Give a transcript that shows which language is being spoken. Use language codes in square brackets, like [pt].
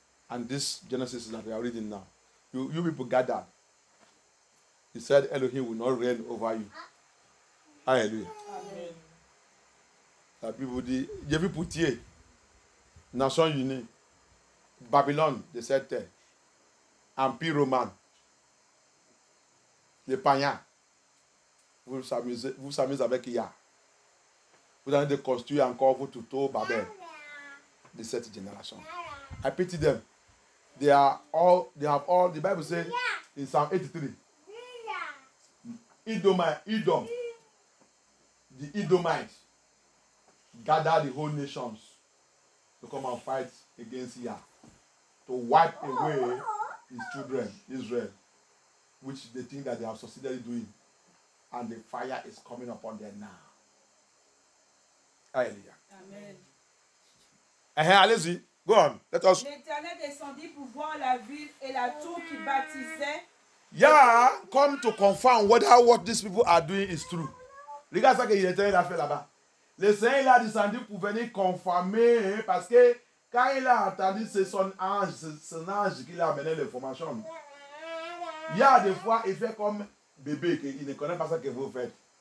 [en] And this Genesis that we are reading now. You people gather. He said, Elohim will not reign over you. Hallelujah. [fr] La Bible dit, j'ai vu Poutier, Nations Unies, Babylone de cette terre, Empire Romain, les païens, vous s'amusez avec Yah. Vous allez construire encore votre tour Babel de cette génération. [en] I pity them. They have all, the Bible says in Psalm 83, Edom, the Edomites, gather the whole nations to come and fight against Yah, to wipe away his children, Israel, which they think that they have succeeded in doing. And the fire is coming upon them now. [fr] Alléluia. Amen. Allez-y. [en] Go on. Let us. [fr] L'Éternel descendit pour voir la ville et la tour qui baptisait. [en] Yah come to confirm whether what these people are doing is true. [fr] Regarde ça que l'Éternel a fait là-bas. Le Seigneur il a descendu pour venir confirmer, parce que quand il a entendu, c'est son ange qui l'a amené l'information. Il y a des fois, il fait comme bébé, qu'il ne connaît pas ce que vous faites.